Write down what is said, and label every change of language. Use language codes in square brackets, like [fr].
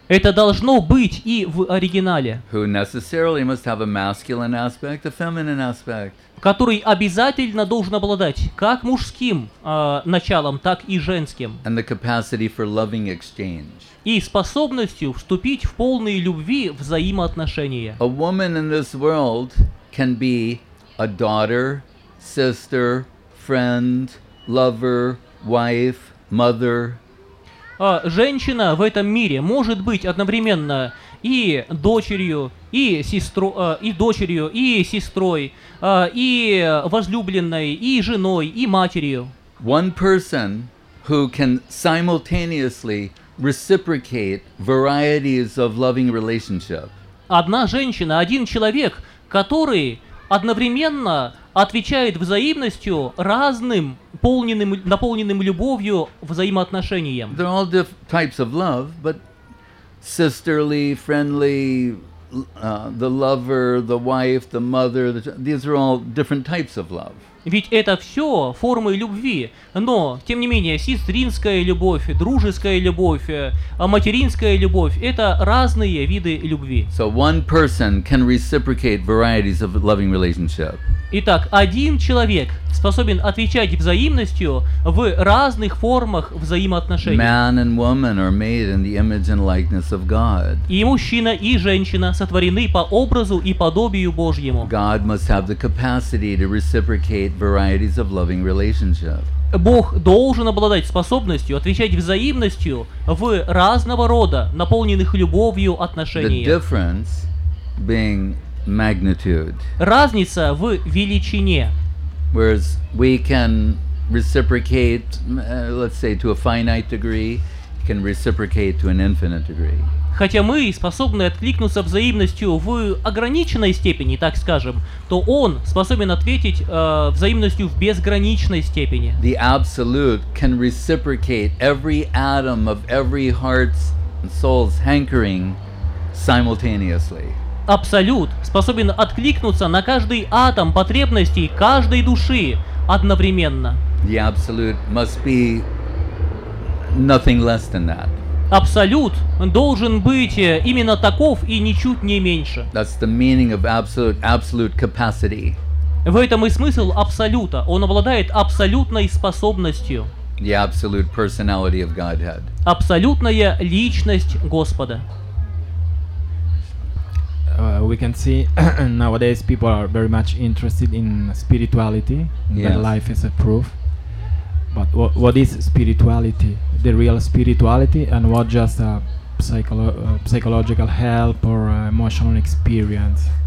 [ru] Это должно быть и в оригинале. [en] Who necessarily must have a masculine aspect, a feminine aspect. [ru] Который обязательно должен обладать как мужским началом, так и женским. [en] And the capacity for loving exchange. [ru] И способностью вступить в полные любви взаимоотношения. [en] A woman in this world can be a daughter, sister, friend, lover, wife, mother. [ru] Женщина в этом мире может быть одновременно и дочерью, и сестру, и дочерью, и сестрой, и возлюбленной, и женой, и матерью. [en] One person who can simultaneously reciprocate varieties of loving relationship. [ru] Одна женщина, один человек, который одновременно отвечает взаимностью разным наполненным любовью взаимоотношениям. [en] There are all different types of love, but sisterly, friendly, the lover, the wife, the mother, these are all different types of love. [ru] Ведь это все формы любви, но, тем не менее, сестринская любовь, дружеская любовь, материнская любовь – это разные виды любви. [en] So one person can reciprocate varieties of loving relationship. [ru] Итак, один человек способен отвечать взаимностью в разных формах взаимоотношений. [en] Man and woman are made in the image and likeness of God. [ru] И мужчина, и женщина сотворены по образу и подобию Божьему. [en] God must have the capacity to reciprocate varieties of loving relationship. [ru] Бог должен обладать способностью отвечать взаимностью в разного рода наполненных любовью отношениях. [en] The difference being magnitude. [ru] Разница в величине. [en] Whereas we can reciprocate, let's say, to a finite degree, can reciprocate to an infinite degree. [ru] Хотя мы способны откликнуться взаимностью в ограниченной степени, так скажем, то он способен ответить взаимностью в безграничной степени. [en] The absolute can reciprocate every atom of every heart's and soul's hankering simultaneously. [ru] Абсолют способен откликнуться на каждый атом потребностей каждой души одновременно. [en] The absolute must be nothing less than that. [ru] Абсолют должен быть именно таков и ничуть не меньше. [en] That's the meaning of absolute, absolute capacity. [ru] В этом и смысл абсолюта. Он обладает абсолютной способностью. [en] The absolute personality of Godhead. [ru] Абсолютная личность Господа. [en] We can see nowadays people are very much interested in spirituality, yes. That life is a proof. But what is spirituality? The real spirituality, and what just a psychological help or emotional experience?